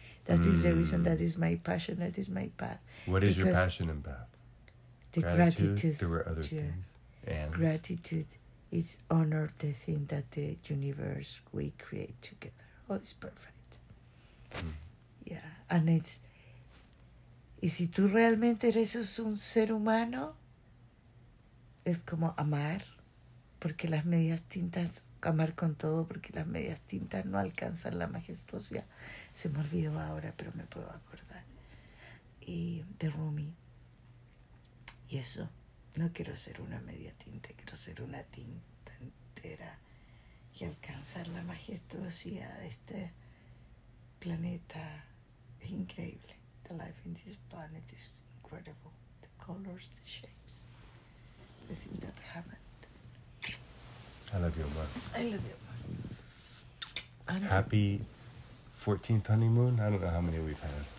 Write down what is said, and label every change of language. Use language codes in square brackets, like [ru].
[en] That is the reason, that is my passion, that is my path. What is your passion and path? The gratitude. There were other things. And gratitude is honor the thing that the universe we create together. All is perfect. Yeah. And it's... [es] Y si tú realmente eres un ser humano, es como amar, porque las medias tintas, amar con todo, porque las medias tintas no alcanzan la majestuosidad. Se me olvidó ahora, pero me puedo acordar. Y de Rumi. Y eso, no quiero ser una media tinta, quiero ser una tinta entera y alcanzar la majestuosidad de este planeta. Es increíble. [en] The life in this planet is incredible. The colors, the shapes, the things that happened. I love you, Omar. I love you, Omar. And happy 14th honeymoon. I don't know how many we've had.